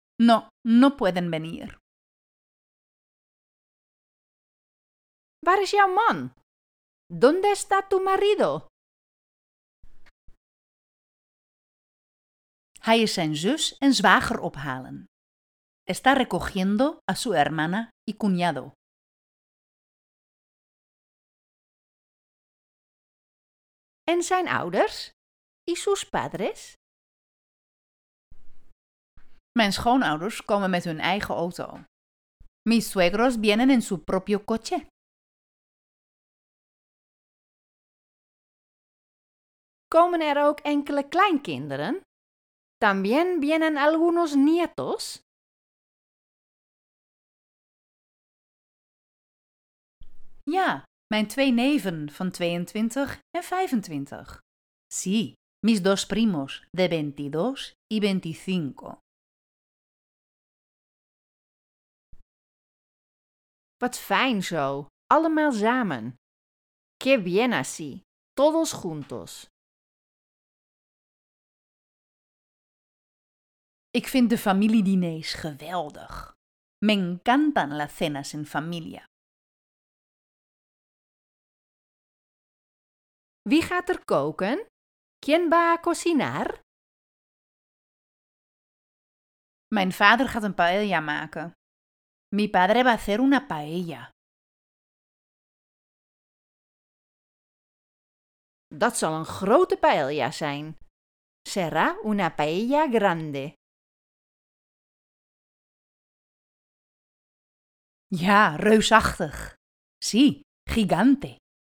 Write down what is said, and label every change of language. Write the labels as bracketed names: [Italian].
[Spanish] No, no pueden venir. [Dutch] Waar is jouw man? [Spanish] ¿Dónde está tu marido? [Dutch] Hij is zijn zus en zwager ophalen. [Spanish] Está recogiendo a su hermana y cuñado. [Dutch] En zijn ouders? [Spanish] ¿Y sus padres? [Dutch] Mijn schoonouders komen met hun eigen auto. [Spanish] Mis suegros vienen en su propio coche. [Dutch] Komen er ook enkele kleinkinderen? [Spanish] También vienen algunos nietos? [Dutch] Ja, mijn twee neven van 22 en 25. [Spanish] Sí, mis dos primos de 22 y 25. [Dutch] Wat fijn zo, allemaal samen. [Spanish] Qué bien así, todos juntos. [Dutch] Ik vind de familiedinees geweldig. [Spanish] Me encantan las cenas en familia. [Dutch] Wie gaat er koken? [Spanish] ¿Quién va a cocinar? [Dutch] Mijn vader gaat een paella maken. [Spanish] Mi padre va a hacer una paella. [Dutch] Dat zal een grote paella zijn. [Spanish] Será una paella grande. [Dutch] Ja, reusachtig. [Spanish] Sí, gigante.